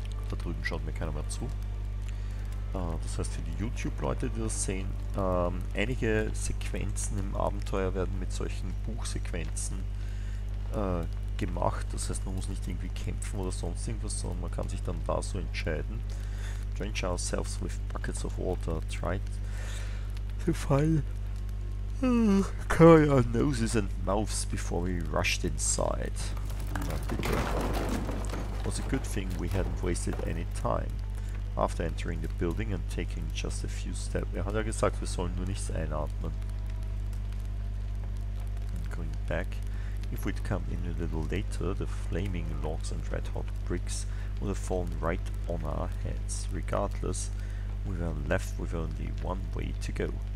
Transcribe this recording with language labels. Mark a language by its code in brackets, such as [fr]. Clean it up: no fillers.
[de] Da drüben schaut mir keiner mehr zu. Das heißt, für die YouTube-Leute, die das sehen, einige Sequenzen im Abenteuer werden mit solchen Buchsequenzen gemacht. Das heißt, man muss nicht irgendwie kämpfen oder sonst irgendwas, sondern man kann sich dann da so entscheiden. [en] Drench ourselves with buckets of water. Try to find cover our noses and mouths before we rushed inside. It was a good thing we hadn't wasted any time. After entering the building and taking just a few steps. [de] Er hat ja gesagt, wir sollen nur nichts einatmen. [en] And going back. If we'd come in a little later, the flaming logs and red-hot bricks would have fallen right on our heads. Regardless, we were left with only one way to go.